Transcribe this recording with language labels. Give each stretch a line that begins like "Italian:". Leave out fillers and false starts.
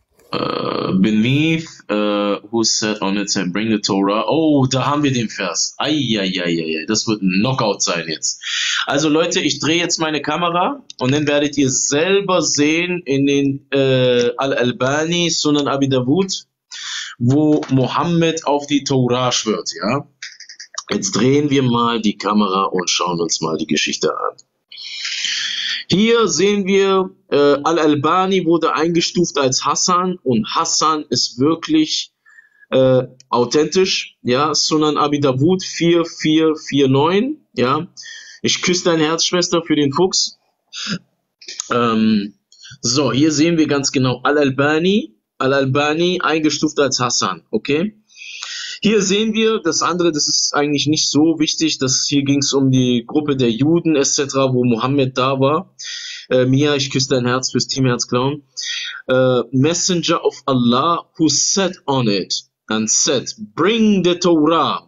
English: Beneath, who sat on it said, bring the Torah.
German: Oh, da haben wir den Vers. Eieieiei, das wird ein Knockout sein jetzt. Also Leute, ich drehe jetzt meine Kamera und dann werdet ihr selber sehen in den Al-Albani, Sunan Abi Dawud, wo Mohammed auf die Torah schwört, ja? Jetzt drehen wir mal die Kamera und schauen uns mal die Geschichte an. Hier sehen wir, Al-Albani wurde eingestuft als Hassan und Hassan ist wirklich authentisch, ja. Sunan Abi Dawud 4449, ja. Ich küsse dein Herz, Schwester, für den Fuchs. So, hier sehen wir ganz genau Al-Albani eingestuft als Hassan, okay? Hier sehen wir das andere, das ist eigentlich nicht so wichtig, dass hier ging es um die Gruppe der Juden etc., wo Mohammed da war. Mia, ich küsse dein Herz fürs Team Herzklauen.
English: Messenger of Allah, who sat on it and said, bring the Torah.